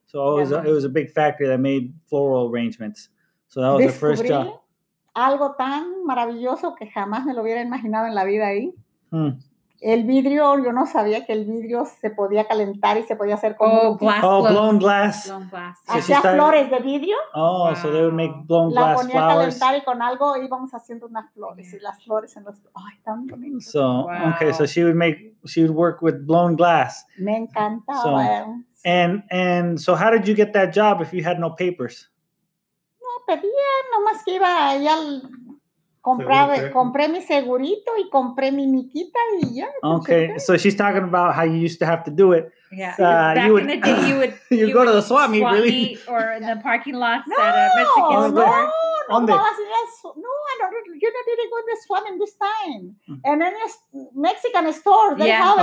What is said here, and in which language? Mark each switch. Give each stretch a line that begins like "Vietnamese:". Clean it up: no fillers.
English: So it was a big factory that made floral arrangements. So that was the first job.
Spanish: Algo tan maravilloso que jamás me lo hubiera imaginado en la vida ahí. El vidrio, yo no sabía que el vidrio se podía calentar y se podía hacer con
English: blown glass.
Spanish: Hacía flores de vidrio.
English: Oh, wow. So they would make blown glass flowers.
Spanish: La ponía a calentar y con algo íbamos haciendo unas flores. Yeah. Y las flores en los... ¡Ay, tan bonito!
English: So, wow. Okay, so she would work with blown glass.
Spanish: Me encantaba. So,
English: and so how did you get that job if you had no papers?
Spanish: No, pedía, nomás que iba allá al... Compré mi segurito y compré mi miquita y ya.
English: Okay, so she's talking about how you used to have to do it. Yeah, back in the day you would go to the swap meet, really? Or in the parking lots at a Mexican store. No, I didn't go to the swap meet this time. And then Mexican store, they have it.